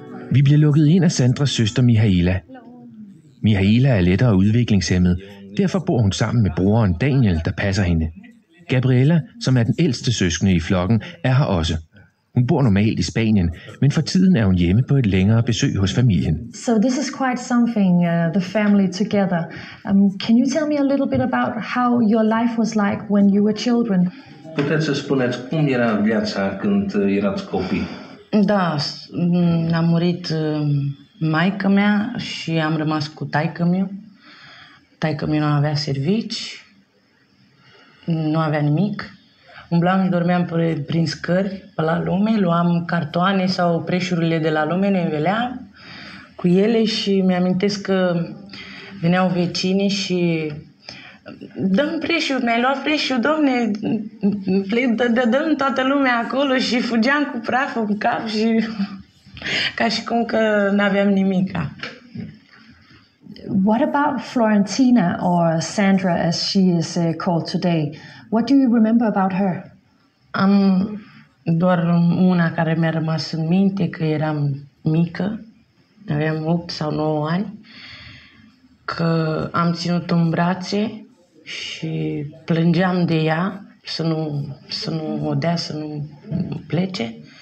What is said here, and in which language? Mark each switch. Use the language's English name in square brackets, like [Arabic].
[Danish] Vi bliver lukket ind af Sandras søster Mihaela. Mihaela er lettere udviklingshemmet, derfor bor hun sammen med broren Daniel, der passer hende. Gabriela, som er den ældste søskende i flokken, er her også. Hun bor normalt i Spanien, men for tiden er hun hjemme på et længere besøg hos familien. [English] So this is quite something, the family together. Can you tell me a little bit about how your life was like when you were children? [Romanian] Puteți să spuneți cum era viața când erați copii? Da, a murit maica mea și am rămas cu taica mea. Taica mea nu avea servici, nu avea nimic. Umblam și dormeam prin scări pe la lume, luam cartoane sau preșurile de la lume, ne înveleam cu ele și mi-amintesc că veneau vecini și dăm preșuri, mi-ai luat preșuri, domne, dădăm toată lumea acolo și fugeam cu praful în cap și ca și cum că n-aveam nimica. [English] What about Florentina, or Sandra as she is called today? What do you remember about her? [Romanian] Am doar una care mi-a rămas în minte, că eram mică, aveam 8 sau 9 ani, că am ținut-o în brațe și plângeam de ea să nu o dea, să nu plece.